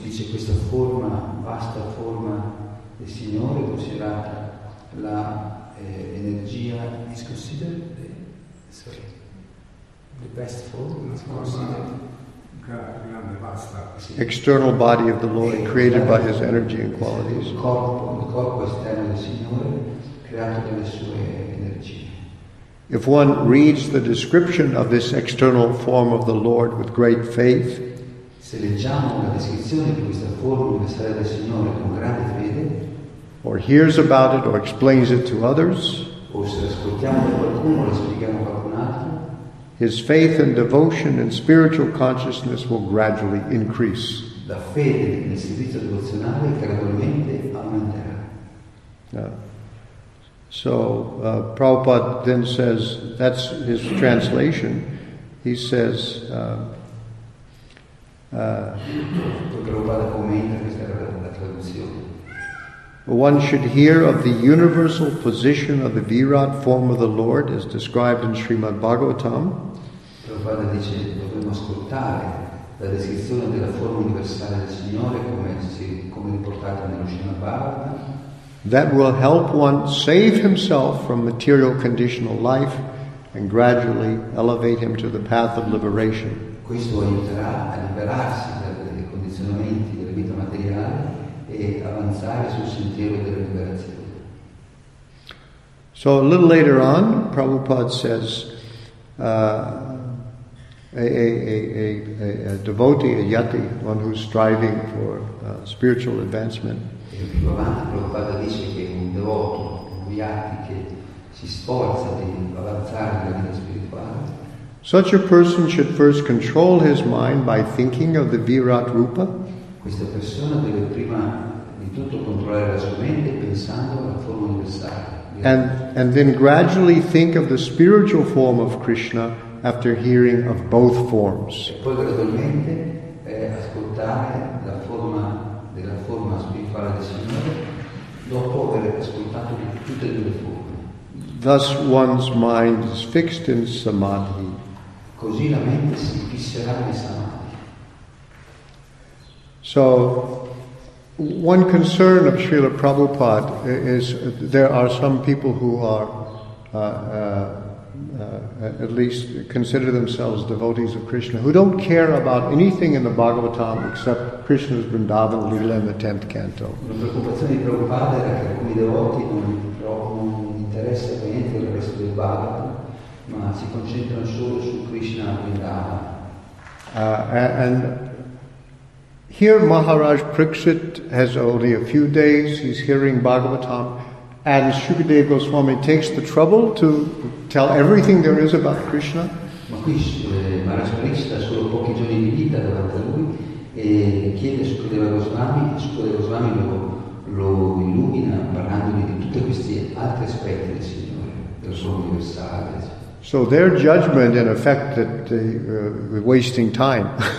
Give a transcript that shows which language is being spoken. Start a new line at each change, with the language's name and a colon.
Italian: Dice questa forma, vasta forma del Signore, considerata la energia,
English: is considered the best form, is considered
Italian: vasta.
English: External body of the Lord, created by his energy and qualities.
Italian: Il corpo esterno del Signore, creato dalle sue energie.
English: If one reads the description of this external form of the Lord with great faith,
Italian: se leggiamo la descrizione di questa forma universale del Signore con grande fede,
English: or hears about it or explains it to others,
Italian: o se ascoltiamo da qualcuno o lo spieghiamo a qualcun altro,
English: his faith and devotion and spiritual consciousness will gradually increase.
Italian: La fede nel servizio devozionale gradualmente aumenterà.
English: So Prabhupada then says, that's his translation. He says, one should hear of the universal position of the Virat form of the Lord as described in Srimad Bhagavatam.
Italian: Prabhupada dice, dovremmo ascoltare la descrizione della forma universale del Signore come riportata nello Srimad Bhagavatam.
English: That will help one save himself from material conditional life and gradually elevate him to the path of liberation.
Italian: Questo aiuterà a liberarsi dai condizionamenti della vita materiale e avanzare sul sentiero della liberazione.
English: So a little later on, Prabhupada says, a devotee, a yati, one who's striving for spiritual advancement,
Italian: più avanti Prabhupada dice che un devoto, un yati che si sforza di avanzare nella vita spirituale,
English: Such a person should first control his mind by thinking of the Virat Rupa.
Italian: Questa persona deve prima di tutto controllare la sua mente pensando alla forma universale.
English: And then gradually think of the spiritual form of Krishna after hearing of both forms.
Italian: E poi gradualmente ascoltare la forma della forma spirituale del Signore dopo aver ascoltato tutte e due le forme.
English: Thus one's mind is fixed in samadhi.
Italian: Così la mente si fisserà in samadhi.
English: So one concern of Srila Prabhupada is there are some people who are at least consider themselves devotees of Krishna who don't care about anything in the Bhagavatam except Krishna's Vrindavan Leela in the 10th canto.
Italian: La preoccupazione di Prabhupada era che alcuni devoti non interessano per niente il resto del Bhagavatam, ma si concentrano solo su Krishna Vrindavan.
English: Here Maharaj Parikshit has only a few days, he's hearing Bhagavatam, and Shukadeva Goswami takes the trouble to tell everything there is about Krishna.
Italian: Ma qui Maharaj Parikshit ha solo pochi giorni di vita davanti a lui e chiede a Shukadeva Goswami, Shukadeva Goswami lo illumina parlandogli di tutti questi altri aspetti del Signore, del suo universale.
English: So their judgment in effect that we're wasting time.